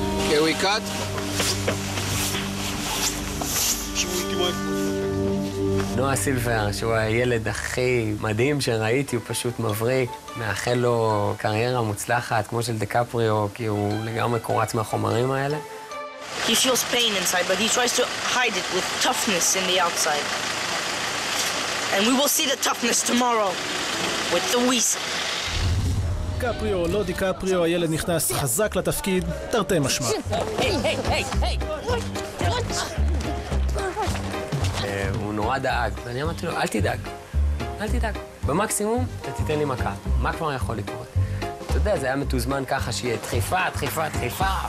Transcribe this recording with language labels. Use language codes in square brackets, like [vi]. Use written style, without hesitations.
[en] Here we cut. [he] נועה סילבר, שהוא הילד הכי מדהים שראיתי, הוא פשוט מבריק, מאחל לו קריירה מוצלחת, כמו של דקפריו, כי הוא לגמרי קורץ מהחומרים האלה. [en] He feels pain inside, but he tries to hide it with toughness in the outside. And we will see the toughness tomorrow with the Weasel. [he] דיקפריו, לא דיקפריו, הילד נכנס חזק לתפקיד, תרתי משמע. הוא נורא דאג, ואני אמרתי לו, אל תדאג, אל תדאג. במקסימום, אתה תיתן לי מכה, מה כבר יכול לקרות? אתה יודע, זה היה מתוזמן ככה שיהיה דחיפה, דחיפה, דחיפה.